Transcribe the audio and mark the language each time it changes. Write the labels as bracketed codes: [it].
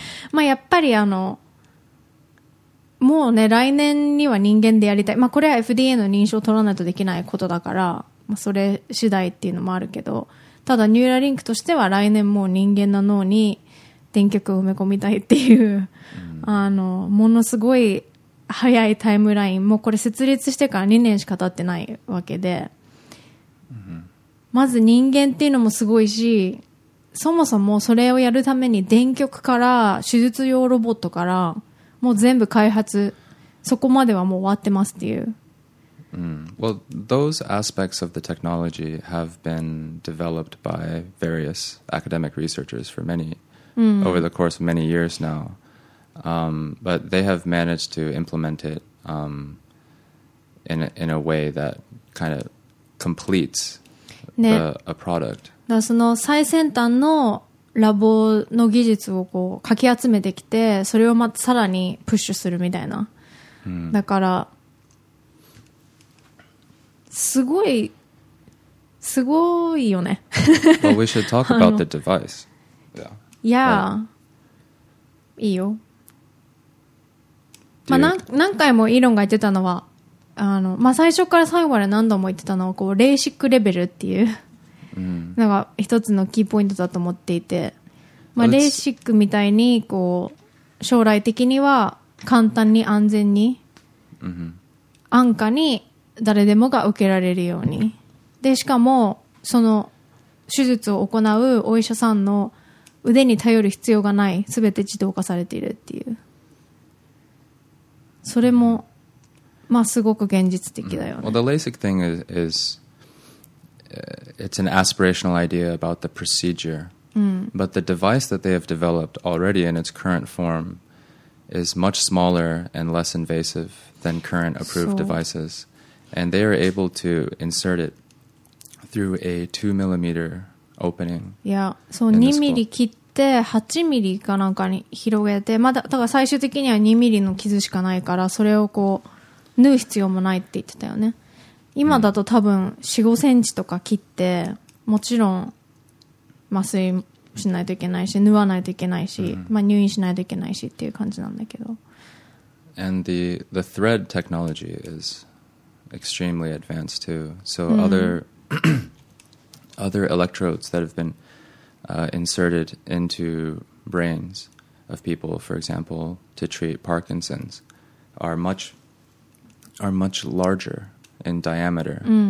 [ja] まあやっぱりもうね、来年には人間でやりたい。まあこれは FDA の認証を取らないとできないことだから、それ次第っていうのもあるけど、ただニューラリンクとしては来年もう人間の脳に電極を埋め込みたいっていう、ものすごい早いタイムライン、もうこれ設立してから2年しか経ってないわけで、まず人間っていうのもすごいし、そもそもそれをやるために電極から手術用ロボットからもう全部開発、そこまではもう終わってますっていう。 [en] Well, those aspects of the technology have been developed by various academic researchers for many, over the course of many years now. But they have managed to implement it in a way that kind of completes [ja] ね、 [en] a product. [ja] だからその最先端のラボの技術をこうかき集めてきて、それをまたさらにプッシュするみたいな。だからすごいすごいよね。 [en] Well, we should talk about the device. Yeah. Yeah. But... [ja] いいよ。まあ、何回もイーロンが言ってたのは、まあ、最初から最後まで何度も言ってたのは、こう、レーシックレベルっていう、なんか一つのキーポイントだと思っていて、まあ、レーシックみたいに、こう、将来的には簡単に安全に、安価に誰でもが受けられるように。で、しかも、その、手術を行うお医者さんの腕に頼る必要がない、すべて自動化されているっていう。それも、まあ、すごく現実的だよね。 [en] Well, the LASIK thing is it's an aspirational idea about the procedure. But the device that they have developed already in its current form is much smaller and less invasive than current approved devices. And they are able to insert it through a 2mm opening. Yeah, so [ja] 2mm切って、で8ミリかなんかに広げて、まだだから最終的には2ミリの傷しかないから、それをこう縫う必要もないって言ってたよね。今だと多分 4,5 センチとか切って、もちろん麻酔しないといけないし、縫わないといけないし、まあ、入院しないといけないしっていう感じなんだけど。 [en] And the thread technology is extremely advanced too. So other electrodes that have beeninserted into brains of people, for example, to treat Parkinson's, are much larger in diameter.